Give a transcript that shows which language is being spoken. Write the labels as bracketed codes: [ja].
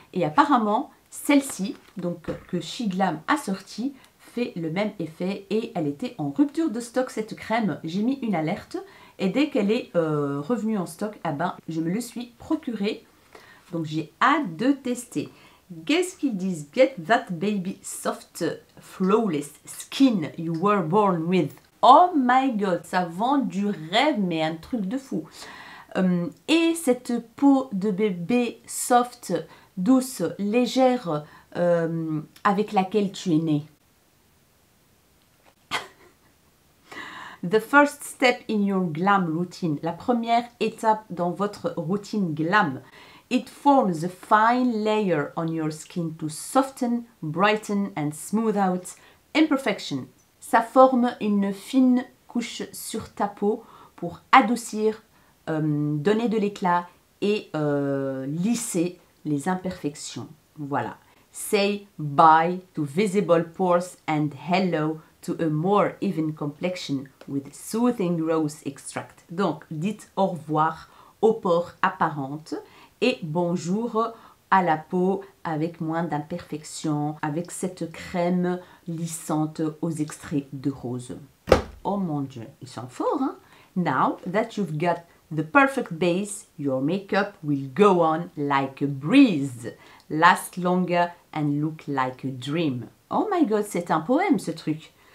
[fr] Et apparemment, celle-ci, donc que Shiglam a sortie, fait le même effet et elle était en rupture de stock cette crème. J'ai mis une alerte et dès qu'elle est revenue en stock, ah ben, je me le suis procuré. Donc j'ai hâte de tester. Qu'est-ce qu'ils disent? [en] Get that baby soft flawless skin you were born with. Oh my god, [fr] ça vend du rêve mais un truc de fou. Et cette peau de bébé soft, douce, légère, avec laquelle tu es né. [en] The first step in your glam routine. [fr] La première étape dans votre routine glam. [en] It forms a fine layer on your skin to soften, brighten and smooth out imperfections. [fr] Ça forme une fine couche sur ta peau pour adoucir, donner de l'éclat et lisser les imperfections. Voilà. [en] Say bye to visible pores and hello to a more even complexion with soothing rose extract. [fr] Donc, dites au revoir aux pores apparentes et bonjour à la peau avec moins d'imperfections, avec cette crème lissante aux extraits de rose. Oh mon Dieu, ils sont forts, hein? [en] Now that you've got the perfect base, your makeup will go on like a breeze, last longer and look like a dream. Oh my God, [fr] c'est un poème ce truc.